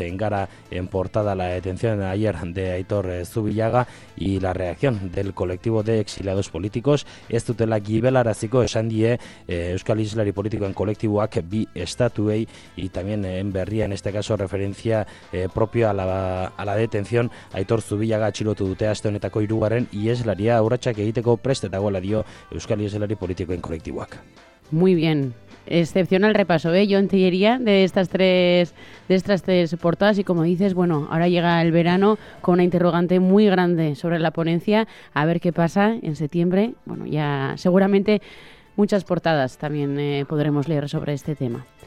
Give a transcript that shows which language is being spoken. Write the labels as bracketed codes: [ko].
[es] En Gara, en portada, la detención de ayer de Aitor Zubillaga y la reacción del colectivo de exiliados políticos. [eu] Ez dutela gibelaraziko esan die Euskal Islari Politikoen kolektiboak bi estatuei. [es] Y también en Berria, en este caso, referencia propia a la detención. [eu] Aitor Zubillaga atxilotu dute aste honetako hirugarren ieslaria urratsak egiteko prest dagoela dio Euskal Ieslari Politikoen kolektiboak. [es] Muy bien. Excepcional repaso, John Tellería, de estas tres portadas. Y como dices, ahora llega el verano con una interrogante muy grande sobre la ponencia. A ver qué pasa en septiembre. Ya seguramente muchas portadas también podremos leer sobre este tema.